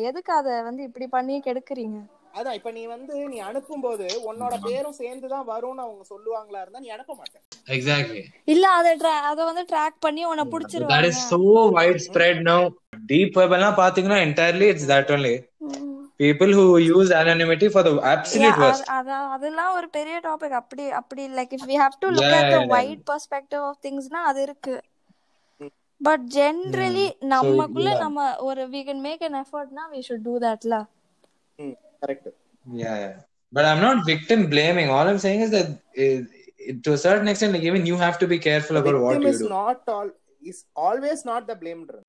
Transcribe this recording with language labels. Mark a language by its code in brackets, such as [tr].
[ta] எதுக்கு அதை வந்து இப்படி பண்ணி கெடுக்குறீங்க? அதான் இப்ப நீ வந்து நீ அனுப்பும் போது உன்னோட பேரும் சேர்ந்துதான் வரும்னு அவங்க சொல்லுவாங்களா இருந்தா நீ அனுப்ப மாட்டேன். [en] exactly [ta] இல்ல அதை வந்து ட்ராக் பண்ணி உன்னை புடிச்சிருவாங்க. [en] That is so widespread now. Deep web [ta] எல்லாம் பாத்தீங்கன்னா [en] Entirely it's that only. People who use anonymity for the absolute worst. [ta] அதெல்லாம் ஒரு பெரிய டாபிக். அப்படி அப்படி [en] like if we have to look at the wide perspective of things [ta] னா அது இருக்கு. [en] but generally [ta] நமக்குள்ள நம்ம ஒரு [en] we can make an effort னா we should do that la. Correct. Yeah, yeah. But I'm not victim blaming. All I'm saying is that to a certain extent, like even you have to be careful about what you do. Victim is not all, is always not the blamer.